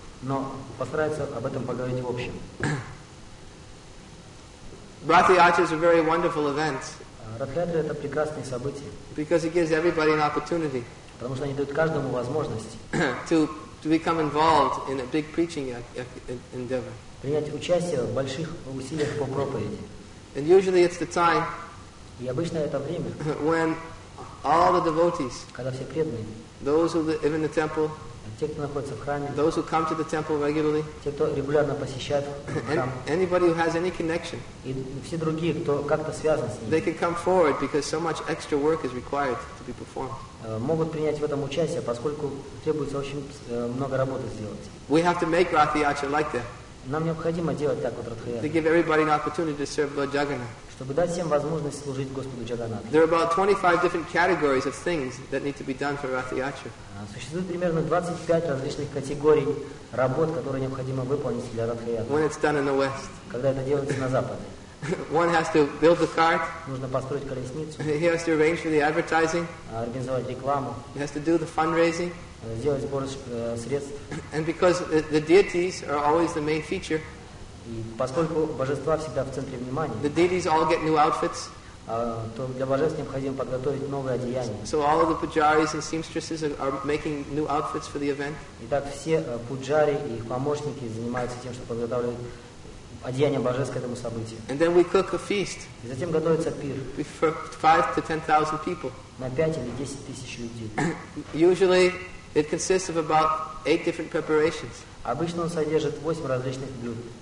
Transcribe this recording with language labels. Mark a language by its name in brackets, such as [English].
[Russian] Но постараюсь об этом поговорить в общем. [English] Ratha-yatras are very wonderful events. [Russian] Ratha-yatra – это прекрасные события. [English] Because it gives everybody an opportunity. [Russian] Потому что они дают каждому возможность. [English] To become involved in a big preaching endeavor. [Russian] Принять участие в больших усилиях по проповеди. [English] And usually it's the time. [Russian] И обычно это время. [English] When all the devotees. [Russian] Когда все преданные. [English] Those who live in the temple. [Russian] Те, кто находится в храме. [English] Those who come to the temple regularly. [Russian] Те, кто регулярно посещает храм. [English] Anybody who has any connection. [Russian] И все другие, кто как-то связан с ним. [English] They can come forward because so much extra work is required to be performed. [Russian] Могут принять в этом участие, поскольку требуется очень много работы сделать. [English] We have to make Ратхаятра like that. [Russian] Нам необходимо делать так вот Ратхаятру. [English] To give everybody an opportunity to serve Lord Jagannath. [Russian] Чтобы дать всем возможность служить Господу Джаганнату. [English] There are about 25 different categories of things that need to be done for Ratha-yatra. [Russian] Существует примерно 25 различных категорий работ, которые необходимо выполнить для Ратха-yatra. [English] When it's done in the West. [Russian] Когда это делается на Западе. [English] One has to build the cart. [Russian] Нужно построить колесницу. [English] He has to arrange for the advertising. [Russian] Организовать рекламу. [English] He has to do the fundraising. [Russian] Сделать сбор средств. [English] And because the deities are always the main feature. [Russian] И поскольку божества всегда в центре внимания, [English] the deities all get new outfits, [Russian] то для божеств необходимо подготовить новые одеяния. [English] So all of the pujaris and seamstresses are making new outfits for the event. [Russian] Итак, все пуджари и их помощники занимаются тем, что подготавливают одеяние божеств к этому событию. [English] And then we cook a feast. [Russian] И затем готовится пир. [English] For 5 to 10,000 people. [Russian] На 5 или 10 тысяч людей. [English] Usually it consists of about 8 different preparations. [Russian] Обычно он содержит 8 различных блюд.